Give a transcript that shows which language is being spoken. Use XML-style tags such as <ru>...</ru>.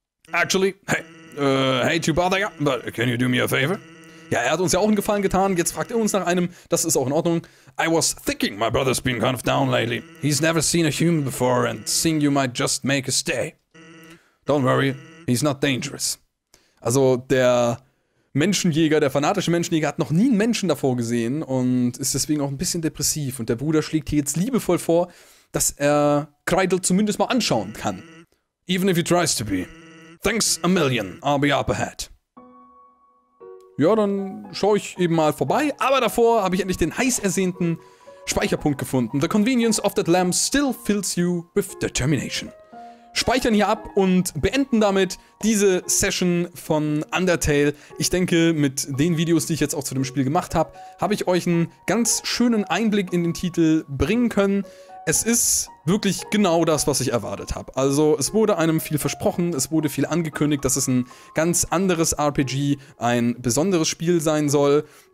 <en>Actually, hey, hate to bother you, but can you do me a favor?</en> <de>Ja, er hat uns ja auch einen Gefallen getan, jetzt fragt er uns nach einem, das ist auch in Ordnung.</de> <en>I was thinking my brother's been kind of down lately. He's never seen a human before, and seeing you might just make a stay. Don't worry, he's not dangerous.</en> <de>Also, der Menschenjäger, der fanatische Menschenjäger hat noch nie einen Menschen davor gesehen und ist deswegen auch ein bisschen depressiv. Und der Bruder schlägt hier jetzt liebevoll vor, dass er Kreidel zumindest mal anschauen kann.</de> <en>Even if he tries to be. Thanks a million, I'll be up ahead.</en> <de>Ja, dann schaue ich eben mal vorbei. Aber davor habe ich endlich den heiß ersehnten Speicherpunkt gefunden.</de> <en>The convenience of that lamp still fills you with determination.</en> <de>Speichern hier ab und beenden damit diese Session von Undertale. Ich denke, mit den Videos, die ich jetzt auch zu dem Spiel gemacht habe, habe ich euch einen ganz schönen Einblick in den Titel bringen können. Es ist wirklich genau das, was ich erwartet habe. Also, es wurde einem viel versprochen, es wurde viel angekündigt, dass es ein ganz anderes RPG, ein besonderes Spiel sein soll.</de>